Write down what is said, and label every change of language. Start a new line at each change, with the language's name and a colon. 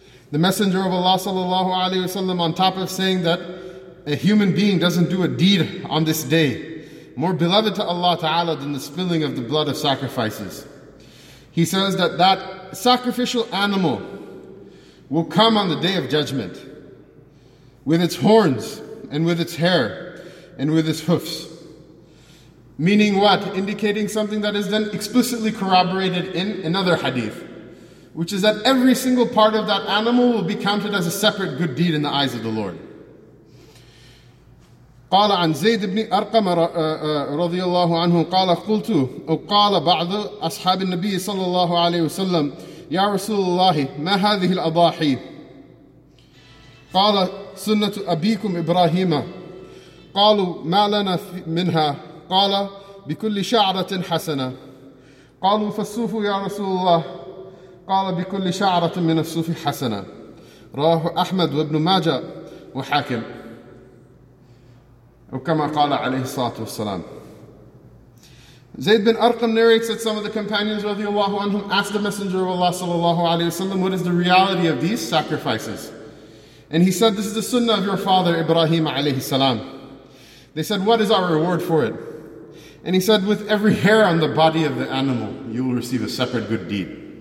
English: The Messenger of Allah sallallahu alayhi wa sallam, on top of saying that a human being doesn't do a deed on this day more beloved to Allah Ta'ala than the spilling of the blood of sacrifices, he says that that sacrificial animal will come on the day of judgment with its horns and with its hair and with its hoofs. Meaning what? Indicating something that is then explicitly corroborated in another hadith, which is that every single part of that animal will be counted as a separate good deed in the eyes of the Lord.
Arabic: قال عن زيد بن أرقم رضي الله عنه قال قلت أو قال بعض أصحاب النبي صلى الله عليه وسلم يا رسول الله ما هذه الأضاحي قال سنة أبيكم إبراهيم قالوا ما لنا منها قال بكل شعرة حسنة قالوا فالصوف يا رسول الله قال بكل شعرة من الصوف حسنة رواه أحمد وابن ماجة وحاكم وكما قال عليه الصلاة والسلام.
English: Zayd bin Arqam narrates that some of the companions radiallahu anhum asked the Messenger of Allah sallallahu alayhi wa sallam, what is the reality of these sacrifices? And he said, this is the sunnah of your father Ibrahim alayhi salam. They said, what is our reward for it? And he said, with every hair on the body of the animal, you will receive a separate good deed.